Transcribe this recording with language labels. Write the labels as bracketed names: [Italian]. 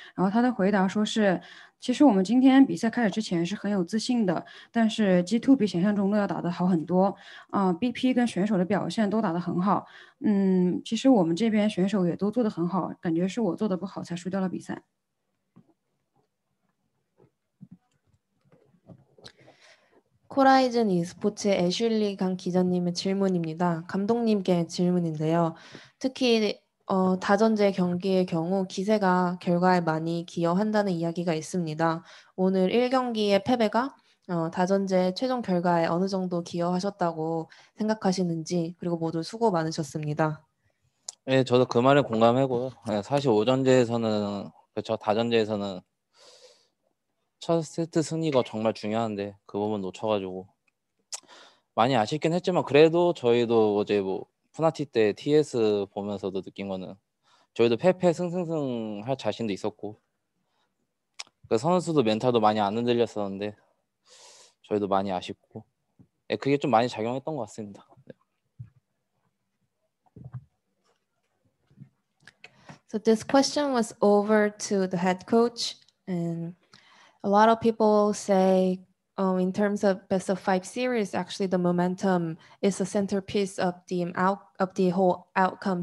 [Chinese] 然后他的回答说是，其实我们今天比赛开始之前是很有自信的，但是 G2 比想象中都要打得好很多。 BP 跟选手的表现都打得很好。嗯，其实我们这边选手也都做得很好，感觉是我做得不好才输掉了比赛。 [Korean] 코라이즌 e스포츠 애슐리 강 기자님의 질문입니다. 감독님께 질문인데요. 특히 다전제 경기의 경우 기세가 결과에 많이 기여한다는 이야기가 있습니다. 오늘 1경기의 패배가 다전제 최종 결과에 어느 정도 기여하셨다고 생각하시는지 그리고 모두 수고 많으셨습니다. 네, 저도 그 말에 공감하고요. 네, 사실 오전제에서는 그렇죠. 다전제에서는 첫 세트 승리가 정말 중요한데 그 부분 놓쳐가지고 많이 아쉽긴 했지만 그래도 저희도 어제 뭐 푸나티 때 TS 보면서도 느낀 거는 저희도 패패 승승승 할 자신도 있었고 그 선수도 멘탈도 많이 안 흔들렸었는데 저희도 많이 아쉽고 네, 그게 좀 많이 작용했던 것 같습니다. [English] So this question was over to the head coach and a lot of people say in terms of best of five series, actually the momentum is the centerpiece of the whole outcome.